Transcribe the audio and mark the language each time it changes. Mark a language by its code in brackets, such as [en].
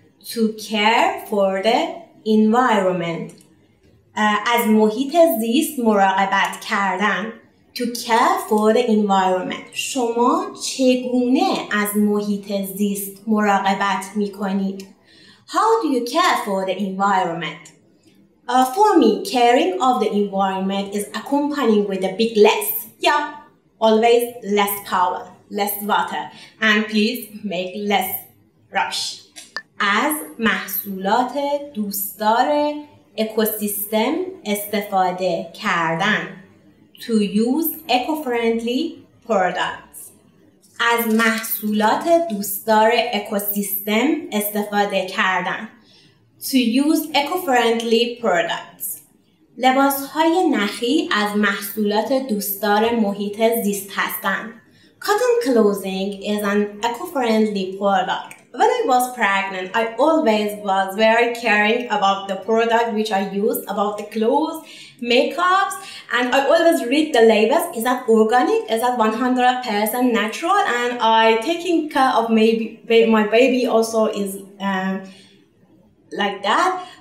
[en] To care for the environment. [fa] از محیط زیست مراقبت کردن. [en] To care for the environment. [fa] شما چگونه از محیط زیست مراقبت می کنید؟ [en] How do you care for the environment? [fa] با [en] For me, caring of the environment is accompanying with a big less. Yeah, always less power, less water, and please make less rubbish. [fa] از محصولات دوستدار اکوسیستم استفاده کردن. [en] To use eco-friendly products. [fa] از محصولات دوستدار اکوسیستم استفاده کردن. [en] To use eco-friendly products. [fa] لباس های نخی از محصولات دوستدار محیط زیست هستند. [en] Cotton clothing is an eco-friendly product. When I was pregnant, I always was very caring about the product which I use, about the clothes, makeups, and I always read the labels. Is that organic? Is that 100% natural? And I taking care of maybe my baby also is like that.